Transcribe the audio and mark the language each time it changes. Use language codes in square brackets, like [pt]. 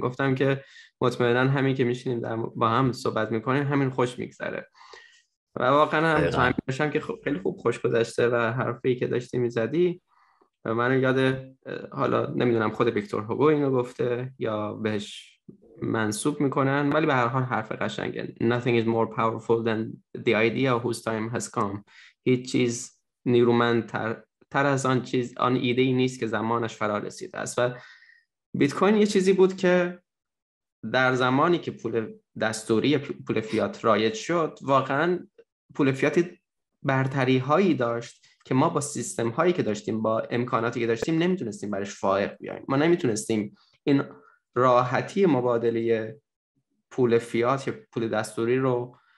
[fa] گفتم که مطمئنا همین که میشینیم با هم صحبت میکنیم همین خوش میگذره، و واقعا هم تایمشم که خیلی خوب خوش گذشته و حرفی که داشتی میزدی منو یاد، حالا نمیدونم خود ویکتور هوگو اینو گفته یا بهش منسوب میکنن، ولی به هر حال حرف قشنگه. [en] Nothing is more powerful than the idea whose time has come. [fa] هیچ چیز نیرومندتر از آن چیز، آن ایده ای نیست که زمانش فرا رسیده است. و بیت کوین یه چیزی بود که در زمانی که پول دستوری، پول فیات رایج شد، واقعا پول فیات برتری هایی داشت که ما با سیستم هایی که داشتیم، با امکاناتی که داشتیم، نمیتونستیم برش فائق بیاییم. ما نمیتونستیم این راحتی مبادله پول فیات یا پول دستوری رو